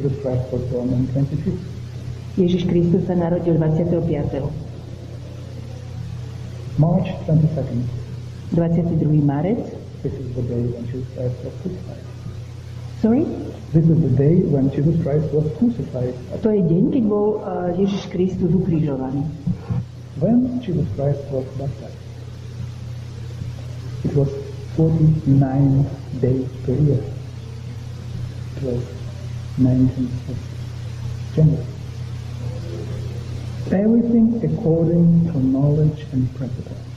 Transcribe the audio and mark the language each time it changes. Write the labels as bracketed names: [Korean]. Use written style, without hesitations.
[English] Jesus Christ was born on 25th. [Slovak] Ježiš Kristus sa narodil 25. [English] March 22nd. [Slovak] 22. marec. [English] This is the day when Jesus Christ was crucified. Sorry? This is the day when Jesus Christ was crucified. [Slovak] To je deň, keď bol Ježiš Kristus ukrižovaný. [English] When Jesus Christ was baptized, it was 49 days per year. It was 19th of January. Everything according to knowledge and principle.